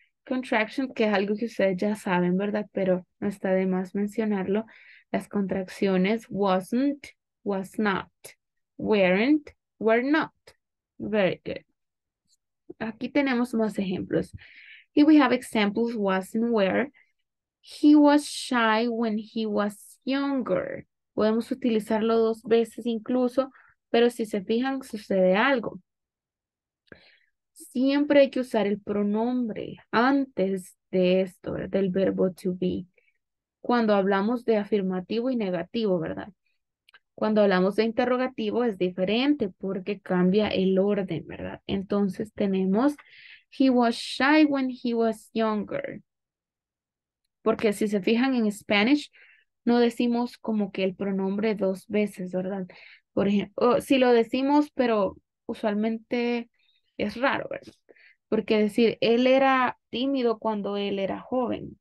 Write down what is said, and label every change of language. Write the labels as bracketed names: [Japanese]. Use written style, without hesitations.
[Spanish] Contractions, que es algo que ustedes ya saben, ¿verdad? Pero no está de más mencionarlo. Las contracciones wasn't, was not, weren't, were not. [English] Very good. [Spanish] Aquí tenemos más ejemplos. [English] Here we have examples, was and were. He was shy when he was younger. [Spanish] Podemos utilizarlo 2 veces incluso, pero si se fijan, sucede algo. Siempre hay que usar el pronombre antes de esto, del verbo to be. Cuando hablamos de afirmativo y negativo, ¿verdad? Cuando hablamos de interrogativo es diferente porque cambia el orden, ¿verdad? Entonces tenemos, [English] he was shy when he was younger. [Spanish] Porque si se fijan en Spanish, no decimos como que el pronombre 2 veces, ¿verdad? Por ejemplo, si lo decimos, pero usualmente es raro, ¿verdad? Porque decir, él era tímido cuando él era joven.